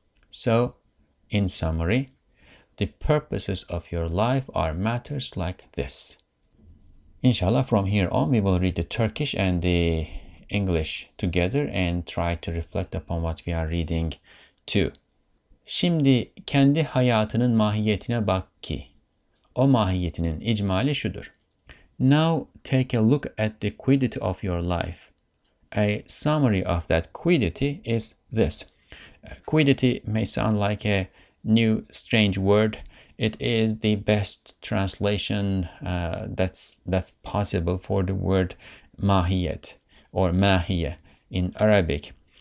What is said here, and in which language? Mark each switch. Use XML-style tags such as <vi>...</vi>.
<en>So, in summary, the purposes of your life are matters like this. Inshallah, from here on, we will read the Turkish and the English together and try to reflect upon what we are reading too.</en> <tr>Şimdi kendi hayatının mahiyetine bak ki, o mahiyetinin icmali şudur.</tr> <en>Now take a look at the quiddity of your life. A summary of that quiddity is this. Quiddity may sound like a new strange word. It is the best translation that's possible for the word mahiyet or mahiyye in Arabic.</en>